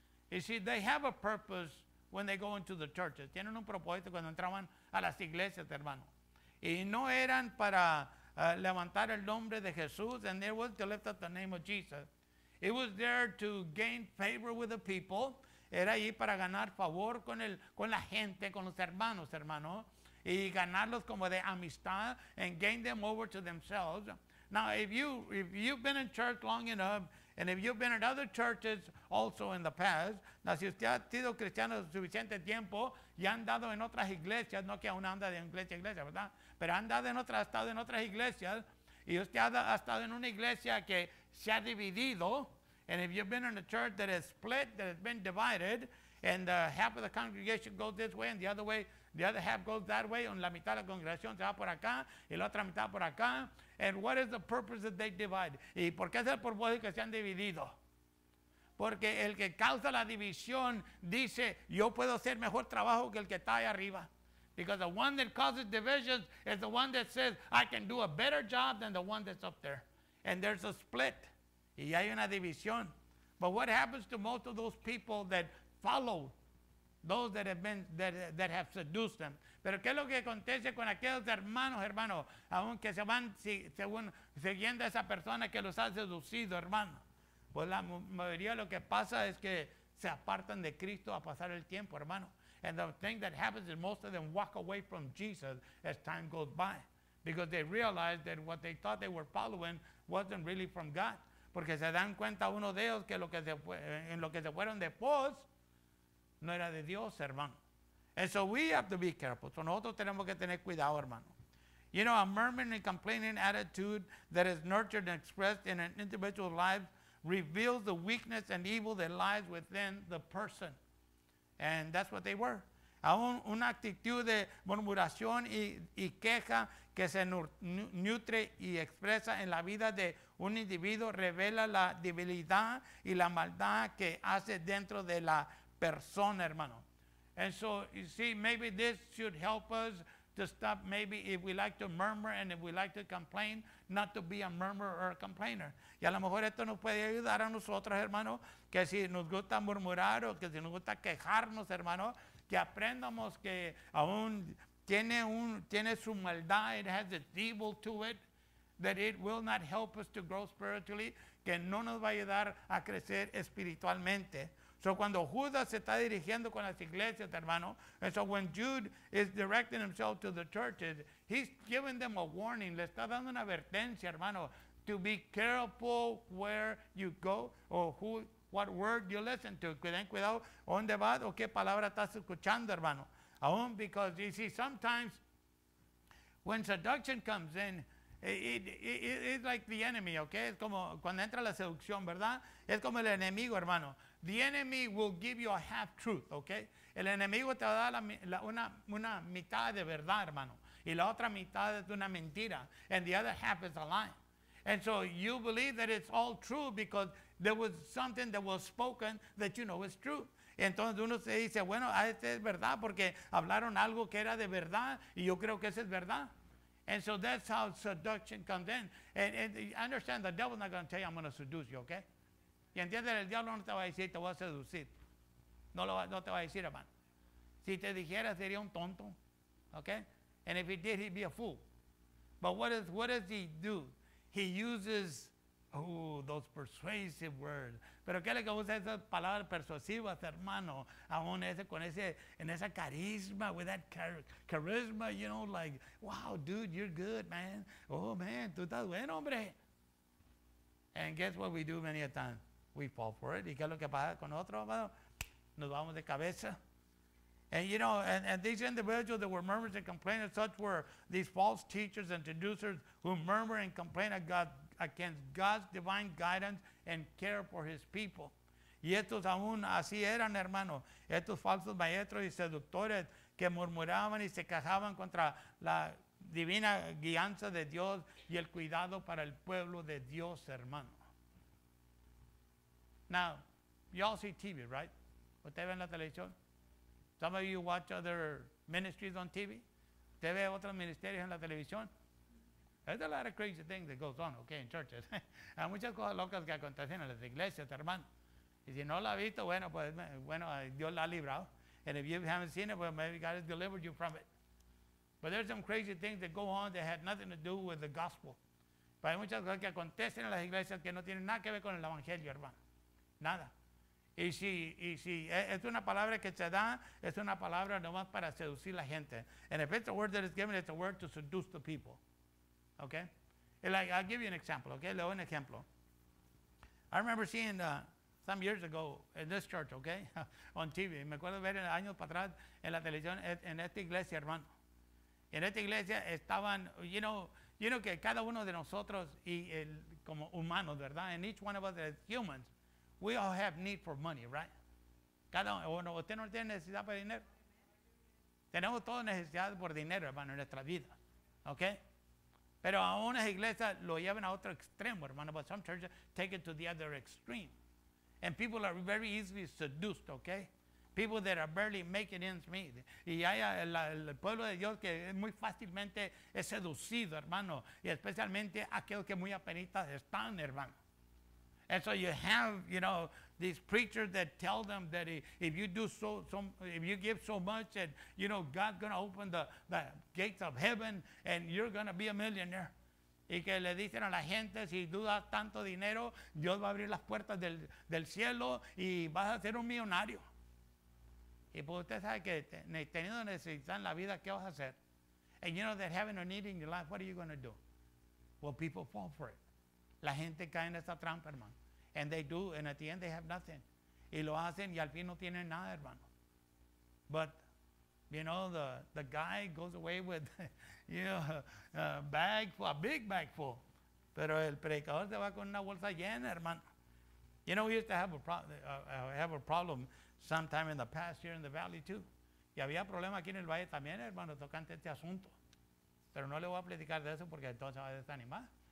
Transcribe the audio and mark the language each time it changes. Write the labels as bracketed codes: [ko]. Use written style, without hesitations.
[en] You see, they have a purpose when they go into the churches. [es] Tienen un propósito cuando entraban a las iglesias, hermano. Y no eran para levantar el nombre de Jesús, [en] and they were to lift up the name of Jesus. It was there to gain favor with the people. [es] Era ahí para ganar favor con la gente, con los hermanos, hermano. Y ganarlos como de amistad [en] and gain them over to themselves. Now, if you've been in church long enough, and if you've been in other churches also in the past, now, [es] si usted ha sido cristiano suficiente tiempo y ha andado en otras iglesias, no que aún anda de iglesia a iglesia, ¿verdad? Pero ha estado en otras iglesias, y usted ha estado en una iglesia que se ha dividido, [en] and if you've been in a church that has split, that has been divided, and half of the congregation goes this way, and the other half goes that way, and [es] la mitad de la congregación se va por acá, [en] y la otra mitad por acá, and what is the purpose that they divide? [es] ¿Y por qué es el propósito que se han dividido? Porque el que causa la división dice, yo puedo hacer mejor trabajo que el que está ahí arriba. [en] Because the one that causes divisions is the one that says, I can do a better job than the one that's up there. And there's a split. [es] Y hay una división. [en] But what happens to most of those people that follow those that have seduced them? [es] Pero ¿qué es lo que acontece con aquellos hermanos, hermano, aunque se van siguiendo a esa persona que los ha seducido, hermano? Pues la mayoría lo que pasa es que se apartan de Cristo a pasar el tiempo, hermano. [en] And the thing that happens is most of them walk away from Jesus as time goes by, because they realize that what they thought they were following wasn't really from God. [es] Porque se dan cuenta uno de ellos que, lo que se fueron después no era de Dios, hermano. [en] And so we have to be careful. So [es] nosotros tenemos que tener cuidado, hermano. [en] You know, a murmuring and complaining attitude that is nurtured and expressed in an individual's life reveals the weakness and evil that lies within the person. And that's what they were. [es] Aún una actitud de murmuración y queja que se nutre y expresa en la vida de un individuo revela la debilidad y la maldad que hace dentro de la persona, hermano. [en] And so, you see, maybe this should help us to stop, maybe if we like to murmur and if we like to complain, not to be a murmurer or a complainer. [es] Y a lo mejor esto nos puede ayudar a nosotros, hermano, que si nos gusta murmurar o que si nos gusta quejarnos, hermano, que aprendamos que aún tiene su maldad, [en] it has its evil to it, that it will not help us to grow spiritually, [es] que no nos va a ayudar a crecer espiritualmente. [en] So [es] cuando Judas se está dirigiendo con las iglesias, hermano, [en] and so when Jude is directing himself to the churches, he's giving them a warning, [es] le está dando una advertencia, hermano, [en] to be careful where you go or who, what word you listen to. [es] Ten cuidado, ¿dónde vas o qué palabra estás escuchando, hermano? [en] Aún, because you see, sometimes when seduction comes in, it's like the enemy, okay? [es] Es como cuando entra la seducción, ¿verdad? Es como el enemigo, hermano. [en] The enemy will give you a half truth, okay? [es] El enemigo te va a dar una mitad de verdad, hermano, y la otra mitad es una mentira, [en] and the other half is a lie. And so you believe that it's all true because there was something that was spoken that you know is true. [es] Entonces uno se dice, bueno, este es verdad porque hablaron algo que era de verdad y yo creo que ese es verdad. [en] And so that's how seduction comes in. And understand, the devil's not going to tell you I'm going to seduce you, okay? [es] Y entiendes, el diablo no te va a decir, te voy a seducir. No te va a decir, hermano. Si te dijera, sería un tonto. Okay? [en] And if he did, he'd be a fool. But what does he do? He uses, those persuasive words. [es] Pero ¿qué es lo que usa esas palabras persuasivas, hermano? Aún en esa carisma, [en] with that charisma, you know, like, wow, dude, you're good, man. [es] Oh, man, tú estás bueno, hombre. [en] And guess what we do many a time? We fall for it. [es] ¿Y qué es lo que pasa con nosotros, hermano? Nos vamos de cabeza. [en] And you know, and these individuals that were murmurers and complainers, such were these false teachers and seducers who murmur and complain against God's divine guidance and care for his people. [es] Y estos aún así eran, hermano. Estos falsos maestros y seductores que murmuraban y se quejaban contra la divina guianza de Dios y el cuidado para el pueblo de Dios, hermano. [en] Now, y'all see TV, right? [es] ¿Ustedes ven la televisión? [en] Some of you watch other ministries on TV. [es] ¿Usted ve otros ministerios en la televisión? [en] There's a lot of crazy things that goes on, okay, in churches. [es] Hay muchas cosas locas que acontecen en las iglesias, hermano. Y si no la ha visto, bueno, pues, bueno, Dios la ha librado. [en] And if you haven't seen it, well, maybe God has delivered you from it. But there's some crazy things that go on that had nothing to do with the gospel. [es] Pero hay muchas cosas que acontecen en las iglesias que no tienen nada que ver con el evangelio, hermano. Nada. Y si es una palabra que se da, es una palabra nomás para seducir la gente. [en] And if it's a word that is given, it's a word to seduce the people. Okay? Like, I'll give you an example, okay? [es] Le doy un ejemplo. [en] I remember seeing some years ago in this church, okay? On TV. [es] Me acuerdo ver años para atrás en la televisión en esta iglesia, hermano. En esta iglesia estaban, you know que cada uno de nosotros y el, como humanos, ¿verdad? [en] And each one of us as humans, we all have need for money, right? [es] Cada uno, ¿usted no tiene necesidad por dinero? Tenemos toda necesidad por dinero, hermano, en nuestra vida. Okay? Pero a unas iglesias lo llevan a otro extremo, hermano. [en] But some churches take it to the other extreme. And people are very easily seduced, okay? People that are barely making ends meet. [es] Y hay el pueblo de Dios que muy fácilmente es seducido, hermano. Y especialmente aquellos que muy apenitas están, hermano. [en] And so you have, you know, these preachers that tell them that if you do so, if you give so much, and you know, God's going to open the gates of heaven and you're going to be a millionaire. [es] Y que le dicen a la gente, si dudas tanto dinero, Dios va a abrir las puertas del cielo y vas a ser un millonario. Y pues usted sabe que teniendo necesidad en la vida, ¿qué vas a hacer? [en] And you know that having a need in your life, what are you going to do? Well, people fall for it. [es] La gente cae en esa trampa, hermano. [en] And they do, and at the end they have nothing. [es] Y lo hacen y al fin no tienen nada, hermano. [en] But, you know, the guy goes away with, you know, a big bag full. [es] Pero el predicador se va con una bolsa llena, hermano. [en] You know, we used to have a problem sometime in the past here in the valley too. [es] Y había problema aquí en el valle también, hermano, tocante este asunto. Pero no le voy a platicar de eso porque entonces va a desanimar.